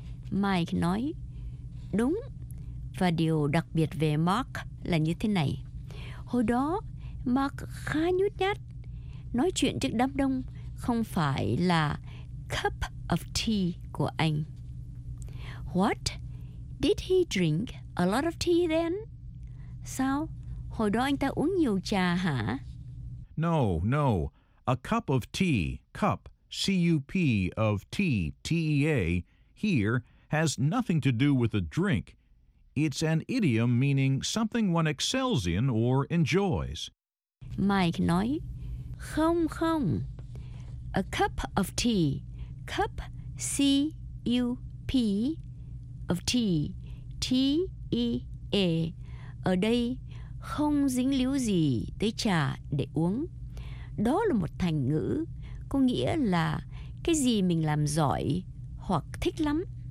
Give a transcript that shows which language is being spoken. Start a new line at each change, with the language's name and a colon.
Vietnamese: Mike nói, đúng. Và điều đặc biệt về Mark là như thế này. Hồi đó, Mark khá nhút nhát. Nói chuyện trước đám đông không phải là
English: cup of tea
Vietnamese: của anh.
English: What? Did he drink a lot of tea then?
Vietnamese: Sao? Hồi đó anh ta uống nhiều trà hả?
English: No, no. A cup of tea, cup, C-U-P of tea, T-E-A, here, has nothing to do with a drink. It's an idiom meaning something one excels in or enjoys.
Vietnamese: Mike nói, không, không.
English: A cup of tea, cup, C-U-P of tea, T-E-A,
Vietnamese: ở đây không dính líu gì tới trà để uống. Đó là một thành ngữ, có nghĩa là cái gì mình làm giỏi hoặc thích lắm.